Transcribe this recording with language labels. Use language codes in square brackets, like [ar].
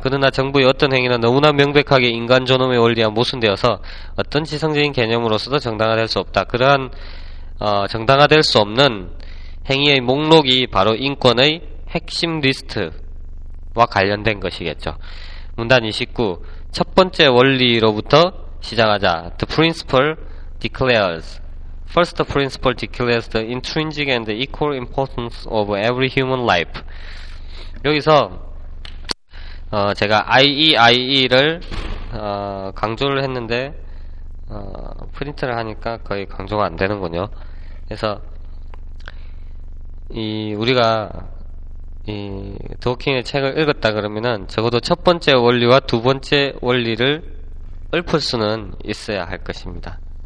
[ko] 그러나 정부의 어떤 행위는 너무나 명백하게 인간 존엄의 원리와 모순되어서 어떤 지성적인 개념으로서도 정당화될 수 없다. 그러한 정당화될 수 없는 행위의 목록이 바로 인권의 핵심 리스트와 관련된 것이겠죠. 문단 29. 첫 번째 원리로부터 시작하자. [en] The principle declares. First principle declares the intrinsic and equal importance of every human life. [ko] 여기서 제가 IEIE를 강조를 했는데 프린트를 하니까 거의 강조가 안 되는군요. 그래서 우리가 이 도킹의 책을 읽었다 그러면은 적어도 첫 번째 원리와 두 번째 원리를 읊을 수는 있어야 할 것입니다.